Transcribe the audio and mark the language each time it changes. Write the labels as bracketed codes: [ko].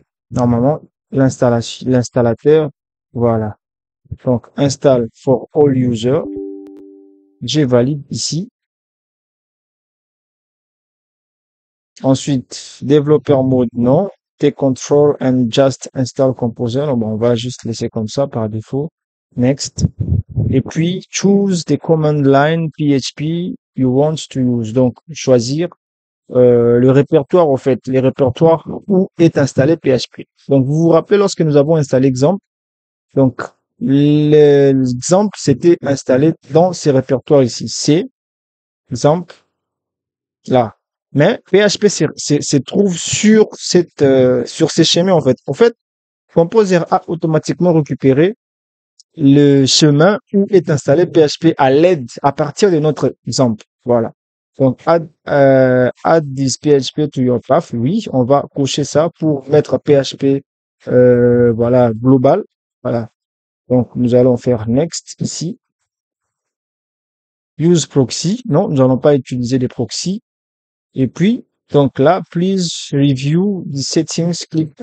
[fr] Normalement, l'installateur, voilà. Donc, [en] install for all users. [fr] Je valide ici. Ensuite, développeur mode, non. [en] Take control and just install composer. [fr] Donc, on va juste laisser comme ça par défaut. Next. Et puis, [en] choose the command line PHP you want to use. [fr] Donc, choisir le répertoire, en fait, les répertoires où est installé PHP. Donc, vous vous rappelez lorsque nous avons installé exemple. Donc, l'exemple, c'était installé dans ces répertoires ici. C, exemple, là. Mais PHP se trouve sur ces chemins, en fait. En fait, Composer a automatiquement récupéré le chemin où est installé PHP à l'aide, à partir de notre exemple. Voilà. Donc, [en] add this PHP to your path. [fr] Oui, on va cocher ça pour mettre PHP, voilà, global. Voilà. Donc, nous allons faire next ici. [en] Use proxy. [fr] Non, nous n'allons pas utiliser les proxy. Et puis, donc là, [en] please review the settings. Click.